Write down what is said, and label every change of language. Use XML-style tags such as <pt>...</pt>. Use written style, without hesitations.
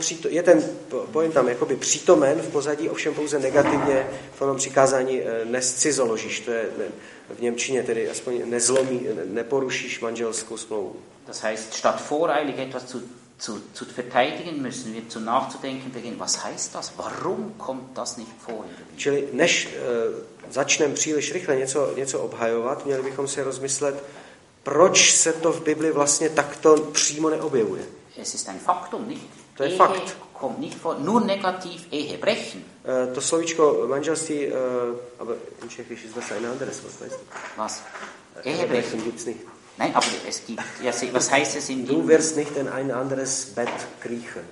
<cs>Je ten pojem tam jakoby přítomen v pozadí, ovšem pouze negativně v tom přikázání nescizoložíš. To je v němčině tedy aspoň neporušíš manželskou smlouvu.</cs> <de>Das heißt, statt voreilig etwas zu verteidigen, müssen wir zu nachzudenken beginnen. Was heißt das? Warum kommt das nicht vor?</de> <cs>Čili než začneme příliš rychle něco obhajovat, měli bychom si rozmyslet, proč se to v Bibli vlastně takto přímo neobjevuje.</cs> <de>Es ist ein Faktum, nicht?</de> <cs>To je fakt.</cs> <de>Kommt nicht vor, nur negativ Ehe brechen. To slovíčko manželství, aber in Tschechisch ist das ein anderes Wort, weißt du? Was? Ehe brechen gibt's nicht. Nein, aber es gibt, ja, was heißt es in Du wirst nicht in ein anderes Bett kriechen.</de>